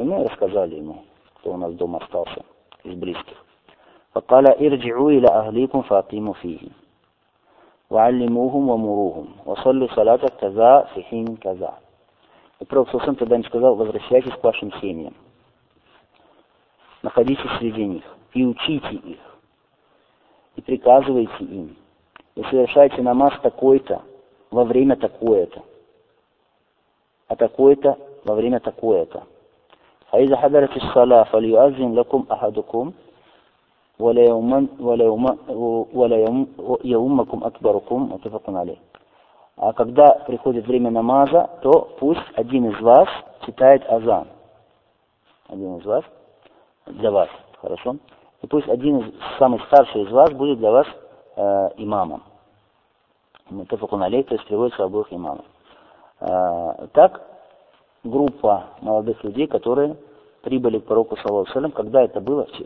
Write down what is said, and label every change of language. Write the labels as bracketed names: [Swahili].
[Russian] И мы рассказали ему, кто у нас дома остался из близких. [Arabic] فقال ارجعوا الى اهليكم فاقيموا فيهم وعلموهم ومروهم وصلوا صلاه كذا في حين كذا. [Russian] Пророк саллаллаху алейхи ва саллям сказал, возвращайтесь к вашим семьям, находитесь среди них и учите их, и приказывайте им, и совершайте намаз такой-то во время такое-то, а такой-то во время такое-то. [Arabic] فإذا حضرت الصلاة فليؤذن لكم أحدكم وَلَيَوْمَكُمْ أَكْبَرُكُمْ وَتَفَقُنْ عَلَيْهِ. [Russian] А когда приходит время намаза, то пусть один из вас читает азан. Один из вас для вас. Хорошо? И пусть один из самый старший из вас будет для вас имамом. [Arabic] وَتَفَقُنْ عَلَيْهِ, [Russian] то есть приводится обоих имамов. Так, группа молодых людей, которые прибыли к пророку саллаллаху алейхи ва саллям, когда это было?